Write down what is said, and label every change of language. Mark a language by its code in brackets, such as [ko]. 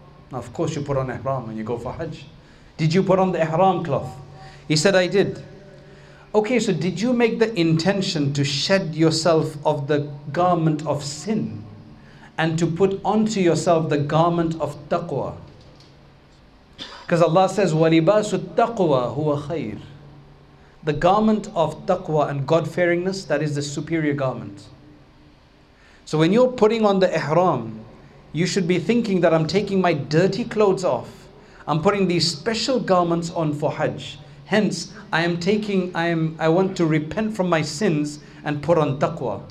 [en] Now, of course you put on ihram when you go for Hajj. Did you put on the ihram cloth? He said, I did. Okay, so did you make the intention to shed yourself of the garment of sin and to put onto yourself the garment of taqwa? Because Allah says, [ar] وَلِبَاسُ التَّقْوَى هُوَ خَيْرٌ. [en] The garment of taqwa and God-fearingness, that is the superior garment. So when you're putting on the ihram, you should be thinking that I'm taking my dirty clothes off. I'm putting these special garments on for Hajj. Hence, I want to repent from my sins and put on taqwa.